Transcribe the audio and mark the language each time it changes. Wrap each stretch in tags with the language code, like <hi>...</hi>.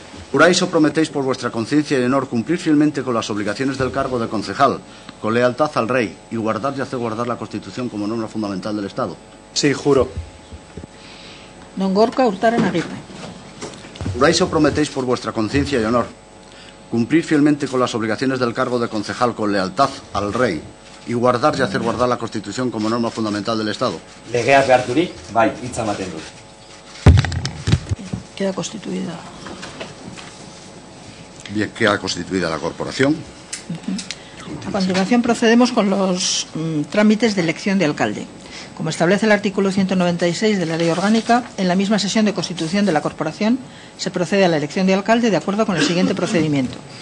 <es>¿Juráis o prometéis por vuestra conciencia y honor cumplir fielmente con las obligaciones del cargo de concejal con lealtad al rey y guardar y hacer guardar la Constitución como norma fundamental del Estado? Sí, juro. Don Gorka Urtaran Aguirre. ¿Juráis o prometéis por vuestra conciencia y honor cumplir fielmente con las obligaciones del cargo de concejal con lealtad al rey y guardar y hacer guardar la Constitución como norma fundamental del Estado?</es> <eu>Legeak beharturik, bai, hitza ematen dut.</eu> <es>Queda constituida. Bien, queda constituida la corporación. Uh-huh. A continuación procedemos con los trámites de elección de alcalde. Como establece el artículo 196 de la Ley Orgánica, en la misma sesión de constitución de la corporación se procede a la elección de alcalde de acuerdo con el siguiente procedimiento.</es>